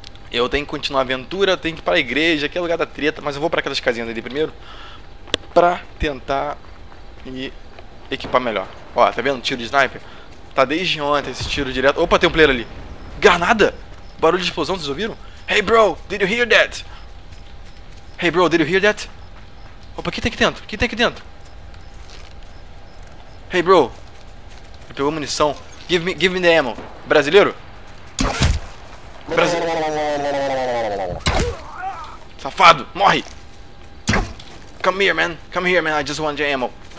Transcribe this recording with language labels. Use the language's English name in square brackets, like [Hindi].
[Portuguese] Eu tenho que continuar a aventura, tenho que ir pra igreja, que é lugar da treta, mas eu vou pra aquelas casinhas ali primeiro pra tentar me equipar melhor. Ó, tá vendo? Tiro de sniper. Tá desde ontem esse tiro direto. Opa, tem um player ali. Granada! Barulho de explosão, vocês ouviram? [English] Hey bro, did you hear that? Hey bro, did you hear that? [Portuguese] Opa, quem tem aqui dentro? Quem tem aqui dentro? [English] Hey bro, [Portuguese] ele pegou munição. [English] Give me the ammo. [Portuguese] Brasileiro? Safado, morre! [English] Come here man, I just want the ammo.